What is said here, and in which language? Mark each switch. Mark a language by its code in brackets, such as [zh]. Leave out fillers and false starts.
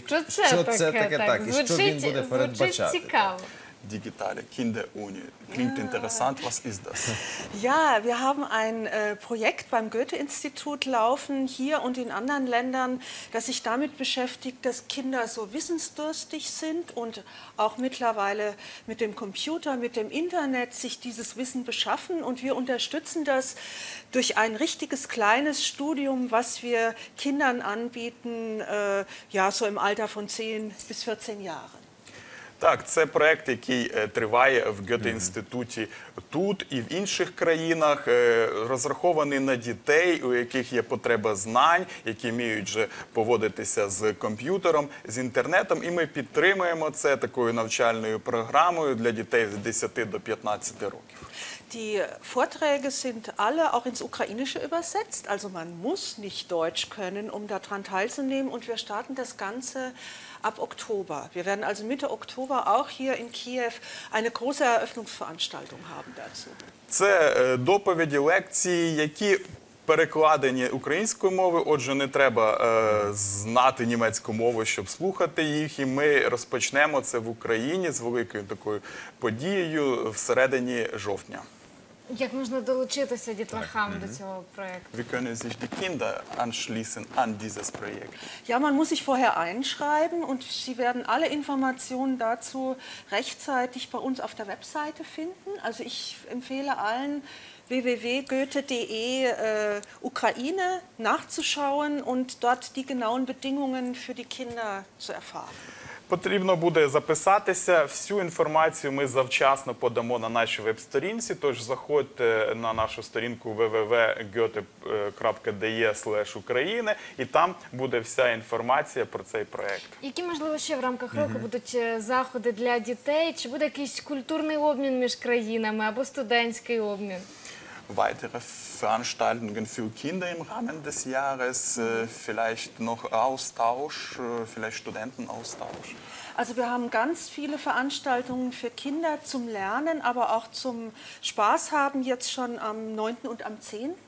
[uk] Що це таке? Звучить цікаво. [de] digitale Kinderunion. Klingt interessant, was ist das? Ja, wir haben ein Projekt beim Goethe-Institut laufen, hier und in anderen Ländern, das sich damit beschäftigt, dass Kinder so wissensdurstig sind und auch mittlerweile mit dem Computer, mit dem Internet sich dieses Wissen beschaffen. Und wir unterstützen das durch ein richtiges kleines Studium, was wir Kindern anbieten, ja, so im Alter von 10 bis 14 Jahren. [uk] Так, це проєкт, який триває в Гете-інституті тут і в інших країнах, розрахований на дітей, у яких є потреба знань, які вміють вже поводитися з комп'ютером, з інтернетом. І ми підтримуємо це такою навчальною програмою для дітей з 10 до 15 років. [de] Die Vorträge sind alle auch ins Ukrainische übersetzt, also man muss nicht Deutsch können, um daran teilzunehmen. Und wir starten das Ganze ab Oktober. Wir werden also Mitte Oktober auch hier in Kiew eine große Eröffnungsveranstaltung haben dazu. [uk] Це доповіді, лекції, які перекладені українською мовою, отже, не треба знати німецьку мову, щоб слухати їх. І ми розпочнемо це в Україні з великою такою подією в середині жовтня. Як можна долучитися дітлахам до цього проєкту? [de] Wie können sich die Kinder anschließen an dieses Projekt? Ja, man muss sich vorher einschreiben und sie werden alle Informationen dazu rechtzeitig bei uns auf der Webseite finden. Also ich empfehle allen www.goethe.de Ukraine nachzuschauen und dort die genauen Bedingungen für die Kinder zu erfahren. [uk] Потрібно буде записатися. Всю інформацію ми завчасно подамо на нашій веб-сторінці, тож заходьте на нашу сторінку www.goethe.de/Ukraine і там буде вся інформація про цей проєкт. Які, можливо, ще в рамках року будуть заходи для дітей? Чи буде якийсь культурний обмін між країнами або студентський обмін? [de] Weitere Veranstaltungen für Kinder im Rahmen des Jahres, vielleicht noch Austausch, vielleicht Studentenaustausch. Also wir haben ganz viele Veranstaltungen für Kinder zum Lernen, aber auch zum Spaß haben jetzt schon am 9. und am 10.